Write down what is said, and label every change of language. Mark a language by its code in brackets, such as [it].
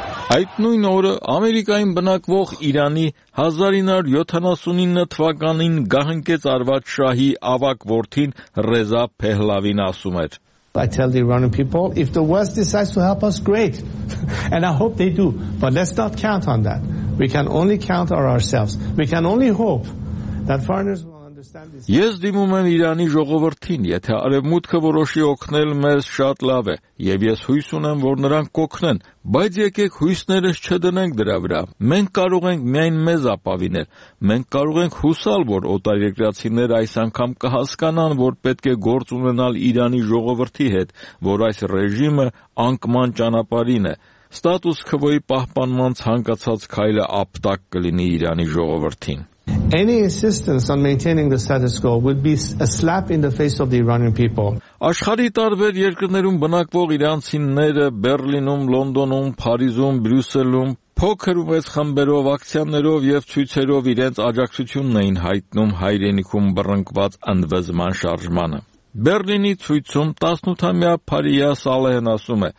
[hy] Այդ նույն օրը Ամերիկայում բնակվող Իրանի 1979 թվականին գահնկեց արված շահի ավակ որդին Ռեզա Փեհլավին ասում էր. [en] I tell the Iranian people, if the West decides to help us, great. And I hope they do. But let's not count on that. We can only count on ourselves. We can only hope that foreigners will understand this. [hy] Ես դիմում եմ Իրանի ժողովրդին, եթե արևմուտքը որոշի օգնել մեզ, շատ լավ է, և ես հույս ունեմ, որ նրանք կօգնեն, բայց եկեք հույսներս չդնենք դրա վրա, մենք կարող ենք միայն մեզ ապավինել, մենք կարող ենք հուսալ, որ օտարերկրացիները այս անգամ կհասկանան, որ պետք է գործ ունենալ Իրանի ժողովրդի հետ, որ այս ռեժիմը անկման ճանապարհին է, ստատուս քվոյի պահպանման ցանկացած քայլը ապտակ կլինի Իրանի ժողովրդին։ [en] Any insistence on maintaining the status quo would be a slap in the face of the Iranian people. [hy] Աշխարհի տարբեր երկրներում բնակվող իրանցիները Բեռլինում, Լոնդոնում, Փարիզում, Բրյուսելում փոքր ու մեծ խմբերով, ակցիաներով և ցույցերով իրենց աջակցությունն էին հայտնում հայրենիքում բռնկված ընդվզման շարժմանը։ Բեռլինի ցույցում 18-ամյա Փարիա Սալեհն ասում է.